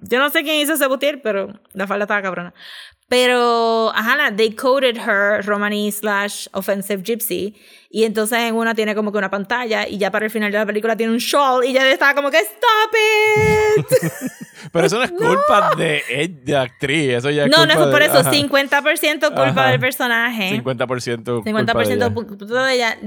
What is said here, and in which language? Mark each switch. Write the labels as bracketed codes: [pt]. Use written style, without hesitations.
[es] Yo no sé quién hizo ese butir, pero la falda estaba cabrona. Pero, ajá, [en] they coded her Romani / offensive gypsy. [es] Y entonces en una tiene como que una pantalla y ya para el final de la película tiene un shawl y ya estaba como que [en] ¡stop it! [es] Pero eso no es culpa de actriz. Eso ya es no, culpa no es por eso. 50% culpa del personaje. 50% culpa 50% de ella.